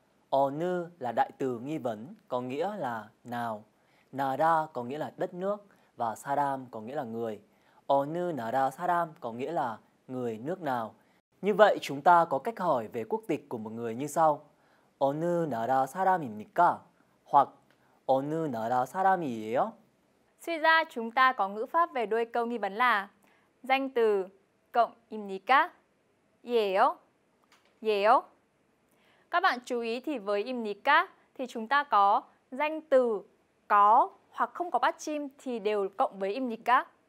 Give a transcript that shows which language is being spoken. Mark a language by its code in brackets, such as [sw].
[vi] 어느 là đại từ nghi vấn, có nghĩa là nào. 나라 có nghĩa là đất nước và 사람 có nghĩa là người. 어느 나라 사람 có nghĩa là người nước nào. Như vậy, chúng ta có cách hỏi về quốc tịch của một người như sau. [ko] 어느 나라 사람입니까? Hoặc 어느 나라 사람이에요? [vi] Suy ra, chúng ta có ngữ pháp về đuôi câu nghi vấn là danh từ cộng 입니까? [ko] 예요? 예요? [vi] Các bạn chú ý thì với 입니까 thì chúng ta có danh từ có hoặc không có bắt chim thì đều cộng với 입니까?